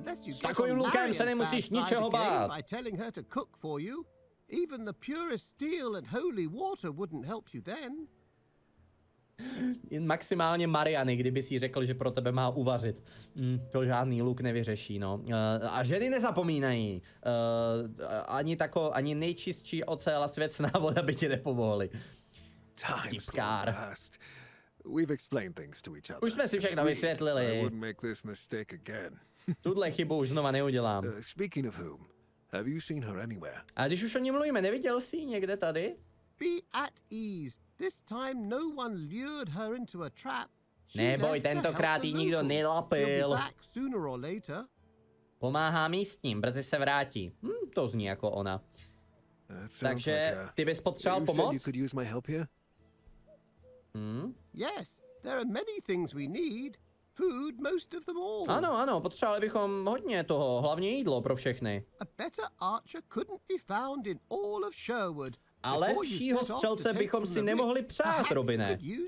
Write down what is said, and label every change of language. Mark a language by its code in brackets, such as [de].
[cs] S takovým lukem se nemusíš ničeho bát. [en] By telling her to cook for you, even the purest steel and holy water wouldn't help you then. [cs] Maximálně Mariany, kdyby si řekl, že pro tebe má uvařit. To žádný luk nevyřeší, no. A ženy nezapomínají. Ani tako, ani nejčistší ocel a světlá voda by ti nepomohly. Tipkár. [en] We've explained things to each other. [cs] Už jsme si všechno vysvětlili. [en] I wouldn't make this mistake again. [cs] Tuhle chybu už znova neudělám. [en] Speaking of whom, have you seen her anywhere? [cs] A když už o ní mluvíme, neviděl jsi ji někde tady? [en] Be at ease. This time no one lured her into a trap. [cs] Neboj, tentokrát ji nikdo nelapil. [en] Sooner or later. [cs] Pomáhá místním, brzy se vrátí. To zní jako ona. Takže ty bys potřeboval pomoc? [en] You could use my help here? Yes, there are many things we need. Food, most of them all. [cs] Ano, ano, potřebovali bychom hodně toho, hlavně jídlo pro všechny. [en] A better archer couldn't be found in all of Sherwood. [cs] A lepšího střelce bychom si nemohli přát, Robine.